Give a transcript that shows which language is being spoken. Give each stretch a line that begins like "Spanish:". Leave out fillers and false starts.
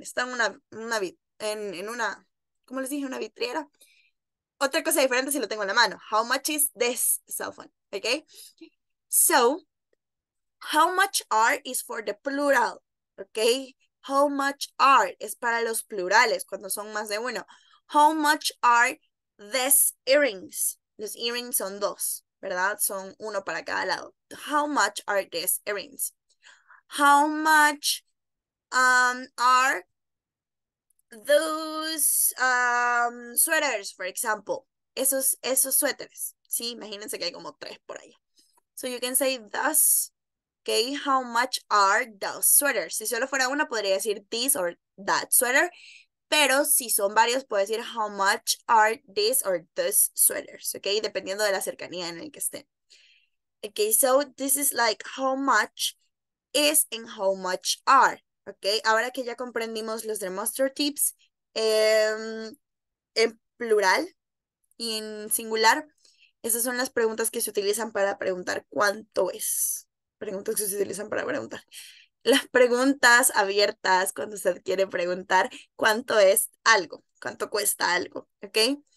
Spanish: Está en una, ¿cómo les dije? Una vitriera. Otra cosa diferente si lo tengo en la mano.
English: How much is this cell phone? Okay. So, how much are is for the plural, okay? How much are
Spanish: es para los plurales, cuando son más de uno.
English: How much are these earrings?
Spanish: Los earrings son dos, ¿verdad? Son uno para cada lado.
English: How much are these earrings? How much are those sweaters, for example?
Spanish: Esos suéteres, ¿sí? Imagínense que hay como tres por allá.
English: So you can say thus. Okay, how much are those sweaters?
Spanish: Si solo fuera una, podría decir
English: this or that sweater.
Spanish: Pero si son varios, puedo decir
English: how much are this or those sweaters.
Spanish: Okay, dependiendo de la cercanía en el que estén.
English: Okay, so this is like how much is and how much are.
Spanish: Okay, ahora que ya comprendimos los demonstratives en plural y en singular, esas son las preguntas que se utilizan para preguntar cuánto es. Preguntas que se utilizan para preguntar. Las preguntas abiertas cuando usted quiere preguntar cuánto es algo, cuánto cuesta algo, ¿ok?